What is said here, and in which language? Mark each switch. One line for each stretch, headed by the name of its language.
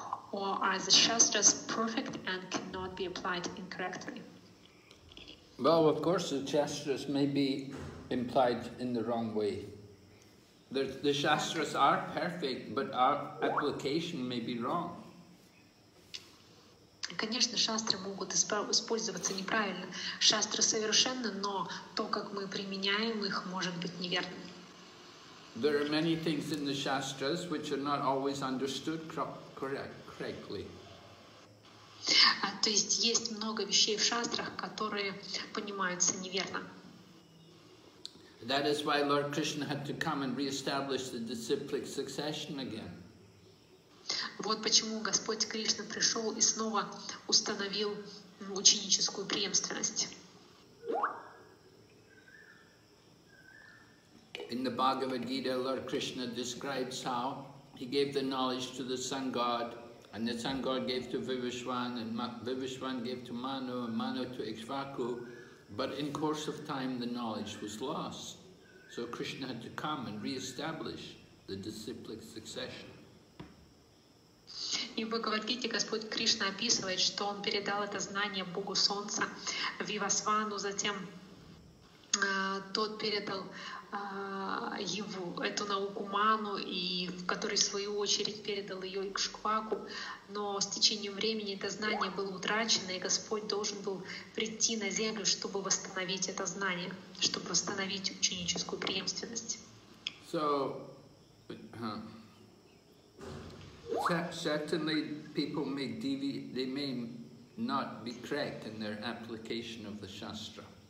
English: Or are the Shastras perfect and cannot be applied incorrectly? Well, of course, the Shastras may be implied in the wrong way. The Shastras are perfect, but our application may be wrong.
Russian: Конечно, шастры могут использоваться неправильно. Шастры совершенны, но то, как мы применяем их, может быть неверным.
English: There are many things in the Shastras which are not always understood correctly.
Russian: То есть есть много вещей в шастрах, которые понимаются неверно.
English: That is why Lord Krishna had to come and re-establish the disciplic succession again.
Russian: Вот почему Господь Кришна пришел и снова установил ученическую преемственность.
English: In the Bhagavad Gita, Lord Krishna describes how he gave the knowledge to the sun god, and the sun god gave to Vivishvan, and Vivishvan gave to Manu, and Manu to Ikshvaku, But in course of time, the knowledge was lost. So Krishna had to come and re-establish the disciplic succession.
Russian: И в Бхагавадгите Господь Кришна описывает, что Он передал это знание Богу Солнца Вивасвану, затем тот передал его, эту науку Ману, и в которой в свою очередь передал ее Икшкваку, но с течением времени это знание было утрачено, и Господь должен был прийти на землю, чтобы восстановить это знание, чтобы восстановить ученическую преемственность.
English: So, certainly people may they may not be correct in their application of the shastra.